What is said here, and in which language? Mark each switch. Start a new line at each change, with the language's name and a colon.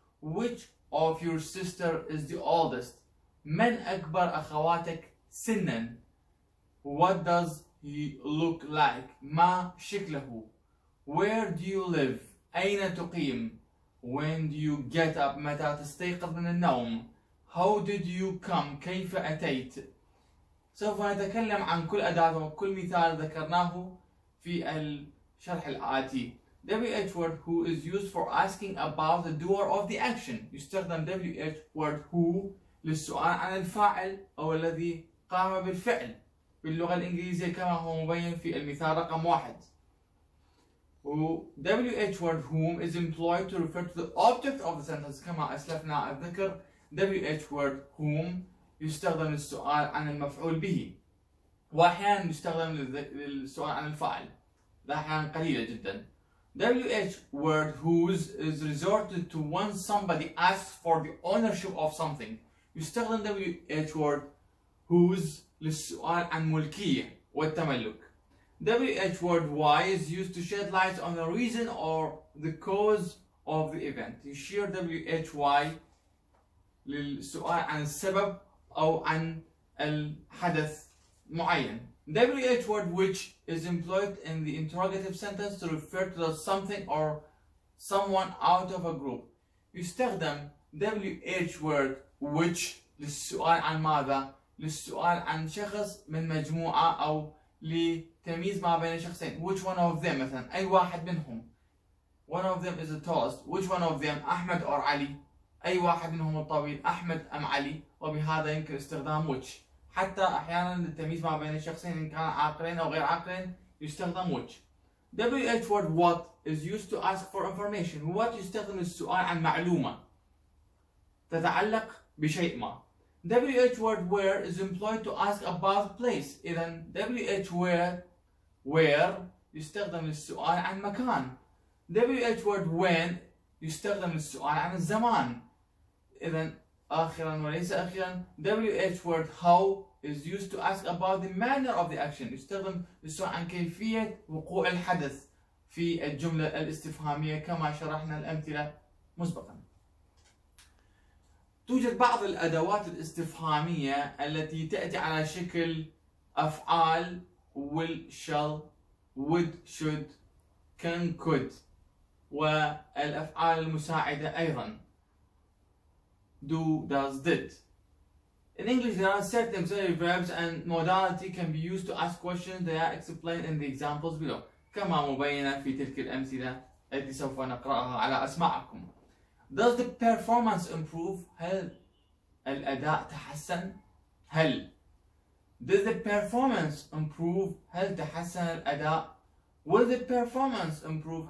English: Which of your sister is the oldest؟
Arabic: من أكبر أخواتك سنا؟
English: What does he look like؟
Arabic: ما شكله؟
English: Where do you live؟
Arabic: أين تقيم؟
English: When do you get up؟
Arabic: متى تستيقظ من النوم؟
English: How did you come؟
Arabic: كيف أتيت؟ سوف نتكلم عن كل أداة وكل مثال ذكرناه في الشرح الآتي.
English: WH word who is used for asking about the doer of the action.
Arabic: يستخدم WH word who للسؤال عن الفاعل أو الذي قام بالفعل باللغة الإنجليزية كما هو مبين في المثال رقم واحد.
English: WH word whom is employed to refer to the object of the sentence.
Arabic: كما أسلفنا الذكر، WH word whom يستخدم للسؤال عن المفعول به، وأحيانا يستخدم للسؤال عن الفاعل، أحيانا قليلة جدا.
English: WH word whose is resorted to when somebody asks for the ownership of something.
Arabic: يستخدم WH word whose للسؤال عن ملكية والتملك.
English: WH word why is used to shed light on the reason or the cause of the event.
Arabic: يشير WH why للسؤال عن السبب أو عن الحدث معين.
English: WH word which is employed in the interrogative sentence to refer to the something or someone out of a group.
Arabic: يستخدم WH word which للسؤال عن ماذا؟ للسؤال عن شخص من مجموعة أو لتمييز ما بين شخصين.
English: Which one of them
Arabic: مثلا، أي واحد منهم.
English: One of them is the tallest. Which one of them،
Arabic: أحمد أو علي. أي واحد منهم الطويل، أحمد أم علي. وبهذا يمكن استخدام which حتى أحيانا للتمييز ما بين شخصين إن كان عاقلين أو غير عاقلين يستخدم which.
English: WH word what is used to ask for information.
Arabic: What يستخدم السؤال عن معلومة تتعلق بشيء ما.
English: WH word where is employed to ask about place.
Arabic: إذن WH where يستخدم للسؤال عن مكان. WH word when يستخدم للسؤال عن الزمان. إذن آخرا وليس أخيرا
English: WH word how is used to ask about the manner of the action.
Arabic: يستخدم للسؤال عن كيفية وقوع الحدث في الجملة الاستفهامية كما شرحنا الأمثلة مسبقا. توجد بعض الأدوات الاستفهامية التي تأتي على شكل أفعال: will, shall, would, should, can, could، والأفعال المساعدة أيضا: do, does, did.
English: In English, there are set auxiliary verbs and modality can be used to ask questions. They are explained in the examples below.
Arabic: كما مبينة في تلك الأمثلة التي سوف نقرأها على أسماعكم.
English: Does the performance improve?
Arabic: هل الأداء تحسن؟ هل
English: Does the performance improve?
Arabic: هل تحسن الأداء؟
English: Will the performance improve?